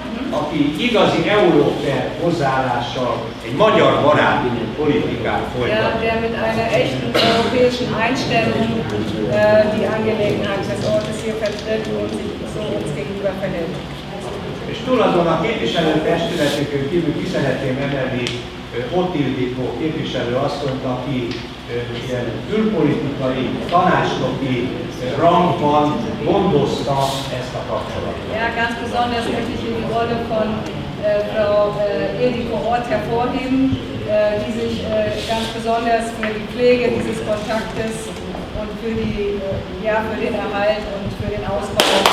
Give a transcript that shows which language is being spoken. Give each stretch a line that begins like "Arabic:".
Hungarian: aki igazi európai hozzáállással egy magyar baráti politikát folytat.
German: Ja, mit einer echten europäischen Einstellung die Angelegenheit des Ortes hier vertritt und sich so uns gegenüber verhält.
Hungarian: És tulajdon a képviselőtestületünkön kívül ki szeretném emelni Otildikó képviselő asszonyt, aki ilyen külpolitikai, tanácsnoki rangban gondozta ezt a kapcsolatot.
German: Ja, ganz besonders möchte ich die Rolle von Frau Ildikó Ort hervorheben, die sich ganz besonders für die Pflege dieses Kontaktes und für die, ja, für den Erhalt und für den Ausbau.